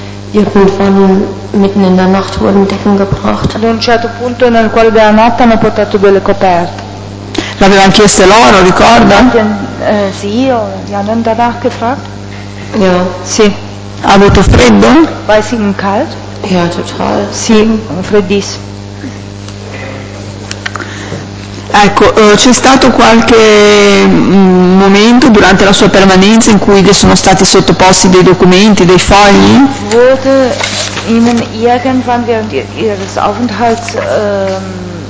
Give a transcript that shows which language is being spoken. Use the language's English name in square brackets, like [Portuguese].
[German] Irgendwann mitten in der Nacht wurden Decken gebracht. [Italian] Ad un certo punto nel cuore della notte hanno portato delle coperte. L'avevano chieste loro, ricorda? Sì, gli hanno [German] danach gefragt. Ja. [Italian] Sì. Ha avuto freddo? [German] War es ihnen kalt? Ja, total. [Italian] Sì, freddissimo. Ecco, c'è stato qualche momento durante la sua permanenza in cui le sono stati sottoposti dei documenti, dei fogli? [German] Wurde Ihnen irgendwann während Ihres Aufenthalts